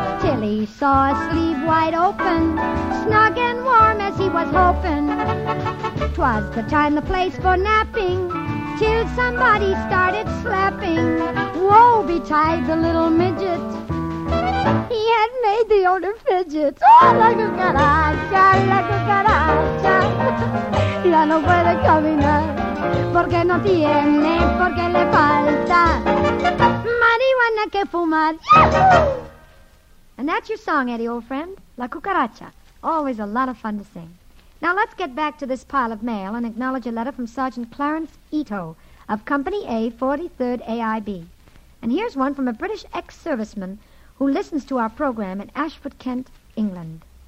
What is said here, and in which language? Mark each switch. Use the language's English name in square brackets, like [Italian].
[English] Till he saw a sleeve wide open, snug and warm as he was hoping. 'Twas the time, the place for napping, till somebody started slapping. Woe betide the little midget, he had made the owner fidget. [Spanish] Oh, la cucaracha, la cucaracha, ya no puede caminar, porque no tiene, porque le falta marihuana que fumar. [English] And that's your song, Eddie, old friend. La Cucaracha. Always a lot of fun to sing. Now let's get back to this pile of mail and acknowledge a letter from Sergeant Clarence Ito of Company A, 43rd AIB. And here's one from a British ex-serviceman who listens to our program in Ashford, Kent, England.